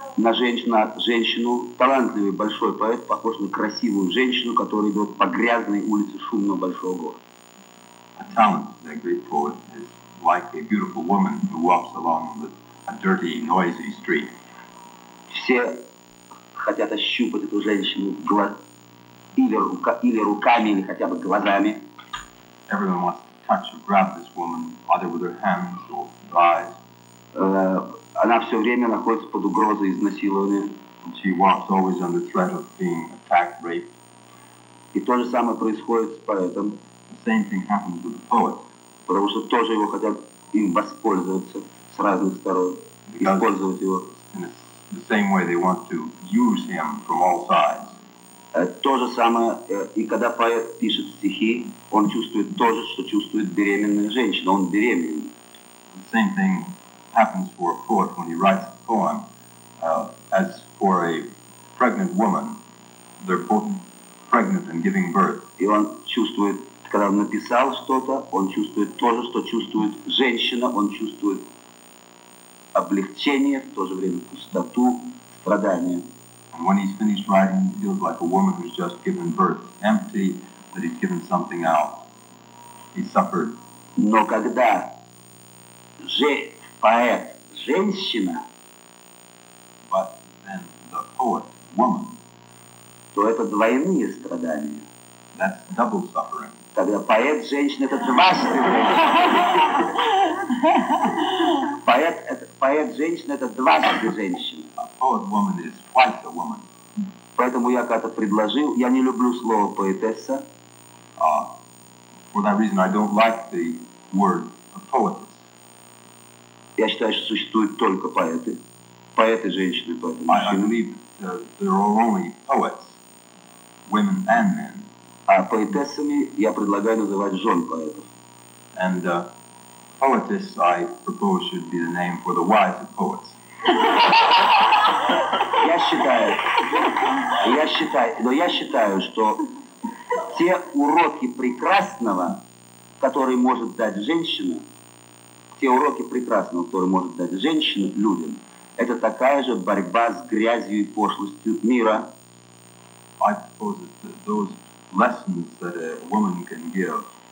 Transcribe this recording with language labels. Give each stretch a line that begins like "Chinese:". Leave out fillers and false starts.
Russian: На женщина, женщину, талантливый большой поэт, похож на красивую женщину, которая идет по грязной улице шумного большого города.
English: That talent, that great poet, is like a beautiful woman who walks along a dirty, noisy street.
Russian: Все хотят ощупать эту женщину или руками, или хотя бы глазами.
English: Everyone wants to touch or grab this woman, either with her hands or her eyes.
Russian: Она все время находится под угрозой изнасилования.
English: She walks always under threat of being attacked, raped.
Russian: И то же самое происходит с поэтом.
English: The same thing happens with the poet.
Russian: Потому что тоже его хотят им воспользоваться с разных сторон.
English: Because
Russian: использовать его.
English: In the same way they want to use him from all sides.
Russian: То же самое, и когда поэт пишет стихи, он чувствует то же, что чувствует беременная женщина. Он беременен.
English: The same thing happens for a poet when he writes a poem. As for a pregnant woman, they're both pregnant and giving birth.
Russian: И он чувствует, когда он написал что-то, он чувствует то же, что чувствует женщина. Он чувствует облегчение, в то же время пустоту, страдание.
English: And when he's finished writing, he feels like a woman who's just given birth, empty, that he's given something out. He suffered.
Russian: Но когда поэт женщина,
English: but then the poet, woman,
Russian: то это двойные страдания.
English: That's double suffering.
Russian: Тогда поэт женщина — это два страдания. Поэт женщина — это два женщины.
English: Poet woman is twice a woman.
Russian: Поэтому я как-то предложил, я не люблю слово поэтесса.
English: For that reason, I don't like the word a poetess.
Russian: Я считаю, что существуют только поэты. Поэты женщины, поэты мужчины.
English: I believe there are only poets, women and men.
Russian: А поэтессами я предлагаю называть жен поэтов.
English: And poetess, I propose, should be the name for the wives of poets.
Russian: Я считаю, что те уроки прекрасного, которые может дать женщина, людям, это такая же борьба с грязью и пошлостью мира.
English: I suppose that those lessons that a woman can give,